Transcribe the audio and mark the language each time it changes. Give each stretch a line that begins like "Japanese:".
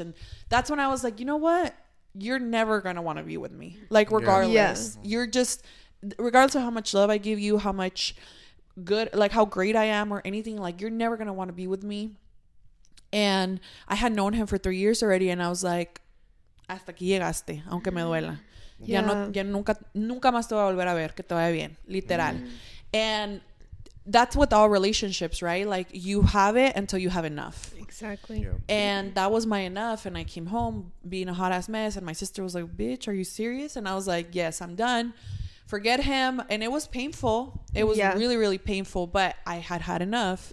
English: And that's when I was like, you know what, you're never gonna want to be with me, like regardless. Yeah. Yes. You're just, regardless of how much love I give you, how much good, like how great I am or anything, like you're never gonna want to be with me. And I had known him for 3 years already and I was like,
Spanish: hasta aquí llegaste, aunque me duela.
English: Yeah.
Spanish: Ya nunca más te voy a volver a ver, que te vaya bien, literal.
English: And that's with all relationships, right? Like you have it until you have enough. Exactly. Yeah. And that was my enough, and I came home being a hot ass mess, and my sister was like, bitch, are you serious? And I was like, yes, I'm done, forget him. And it was painful. It was really, really painful, but I had enough.